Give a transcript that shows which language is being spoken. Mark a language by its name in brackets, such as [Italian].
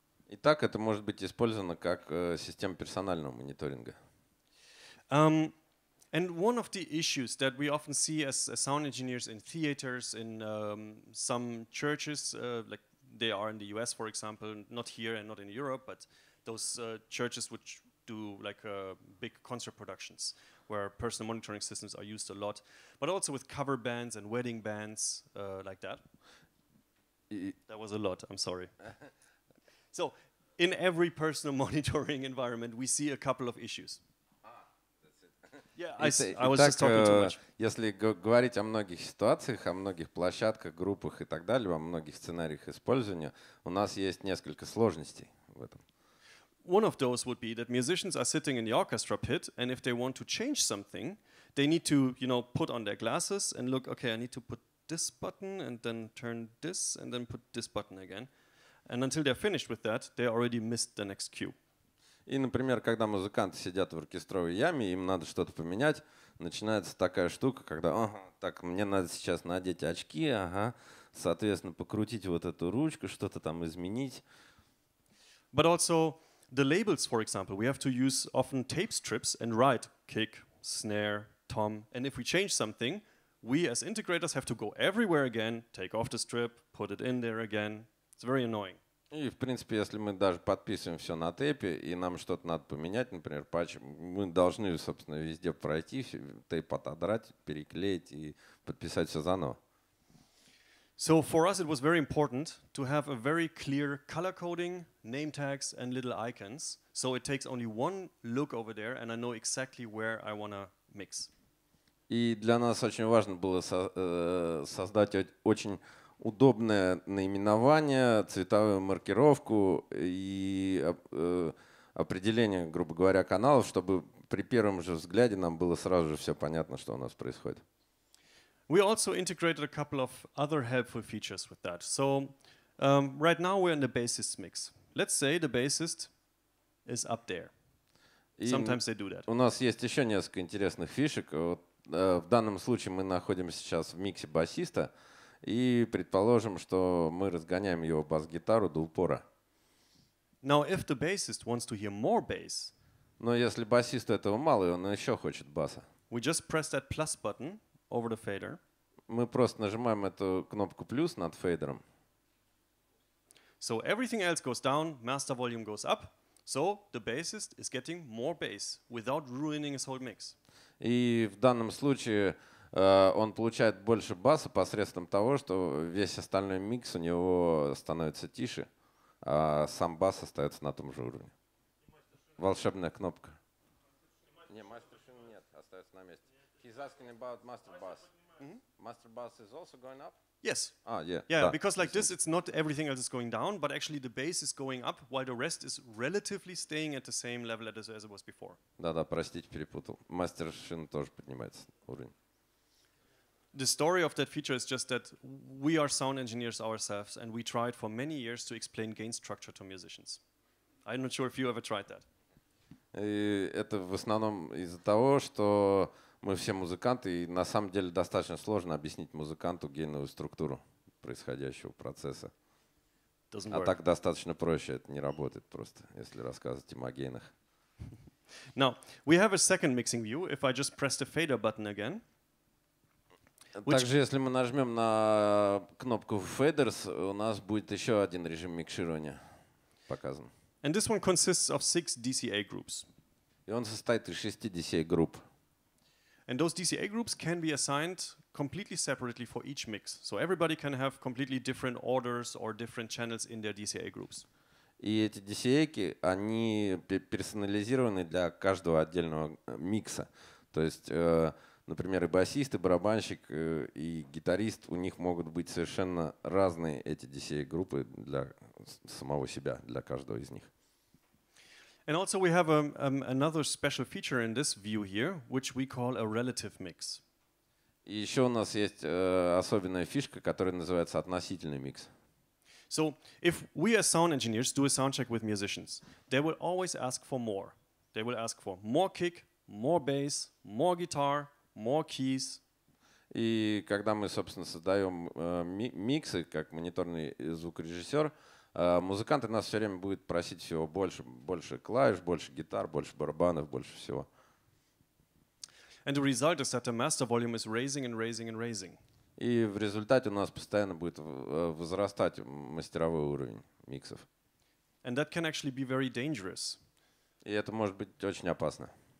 [Russian] Итак, это может быть использовано как система персонального мониторинга. [English] And one of the issues that we often see as sound engineers in theaters, in some churches, like they are in the US, for example, not here and not in Europe, but those churches which do like big concert productions where personal monitoring systems are used a lot, but also with cover bands and wedding bands like that. That was a lot, I'm sorry. So in every personal monitoring environment, we see a couple of issues. Yeah, I was just talking too much. [Russian] Если говорить о многих ситуациях, о многих площадках, группах и так далее, о многих сценариях использования, у нас есть несколько сложностей в этом. [English] One of those would be that musicians are sitting in the orchestra pit, and if they want to change something, they need to, you know, put on their glasses and look, okay, I need to put this button and then turn this and then put this button again. And until they're finished with that, they already missed the next cue. [Russian] И, например, когда музыканты сидят в оркестровой яме, им надо что-то поменять, начинается такая штука, когда, так, мне надо сейчас надеть очки, ага, соответственно, покрутить вот эту ручку, что-то там изменить. [English] But also the labels, for example, we have to use often tape strips and write kick, snare, tom. And if we change something, we as integrators have to go everywhere again, take off the strip, put it in there again. It's very annoying. [Russian] И, в принципе, если мы даже подписываем все на тейпе, и нам что-то надо поменять, например, патч, мы должны, собственно, везде пройти, тейп отодрать, переклеить и подписать все заново. [English] So for us it was very important to have a very clear color coding, name tags and little icons. So it takes only one look over there and I know exactly where I want to mix. [Russian] И для нас очень важно было создать очень удобное наименование, цветовую маркировку и определение, грубо говоря, каналов, чтобы при первом же взгляде нам было сразу же все понятно, что у нас происходит. [English] We also integrated a couple of other helpful features with that. So right now we're in the bassist mix. Let's say the bassist is up there. Sometimes they do that. [Russian] У нас есть еще несколько интересных фишек. Вот, в данном случае мы находимся сейчас в миксе басиста. И предположим, что мы разгоняем его бас-гитару до упора. [English] Now, if the bassist wants to hear more bass, [Russian] но если басисту этого мало, и он еще хочет баса, [English] we just press that plus button over the fader. [Russian] Мы просто нажимаем эту кнопку плюс над фейдером. [English] So everything else goes down, master volume goes up. So the bassist is getting more bass without ruining his whole mix. [Russian] И в данном случае он получает больше баса посредством того, что весь остальной микс у него становится тише, а сам бас остается на том же уровне. Волшебная кнопка. Не, мастер шины нет, остается на месте. [English] He's asking about master bass. Mm-hmm. Master bass is also going up? Yes. Ah, yeah. Yeah, [Russian] да. [English] Because like this, it's not everything else is going down, but actually the bass is going up, while the rest is relatively staying at the same level as it was before. [Russian] Да-да, простите, перепутал. Мастер шины тоже поднимается уровень. [English] The story of that feature is just that we are sound engineers ourselves, and we tried for many years to explain gain structure to musicians. I'm not sure if you ever tried that. [Russian] Это в основном из-за того, что мы все музыканты, и на самом деле достаточно сложно объяснить музыканту гейновую структуру происходящего процесса. [English] Doesn't work. [Russian] А так достаточно проще, это не работает просто, если рассказывать им о гейнах. [English] Now, we have a second mixing view. If I just press the fader button again. [Russian] Также, если мы нажмем на кнопку faders, у нас будет еще один режим микширования показан. [English] And this one consists of 6 DCA groups. [Russian] И он состоит из 6 DCA групп. [English] And those DCA groups can be assigned completely separately for each mix. So everybody can have completely different orders or different channels in their DCA groups. [Russian] И эти DCA-ки, они персонализированы для каждого отдельного микса. То есть, например, и басист, и барабанщик, и гитарист, у них могут быть совершенно разные эти DCA-группы для самого себя, для каждого из них. [English] And also we have another special feature in this view here, which we call a relative mix. [Russian] И еще у нас есть особенная фишка, которая называется относительный микс. [English] So if we as sound engineers do a soundcheck with musicians, they will always ask for more. They will ask for more kick, more bass, more guitar, more keys. [Russian] И когда мы, собственно, создаем миксы как мониторный звукорежиссер, музыканты нас все время будут просить всего больше, больше клавиш, больше гитар, больше барабанов, больше всего. [English] And the result is that the master volume is raising and raising and raising. [Russian] И в результате у нас постоянно будет возрастать мастеровой уровень миксов. [English] And that can actually be very dangerous. [Russian] И это может быть очень опасно.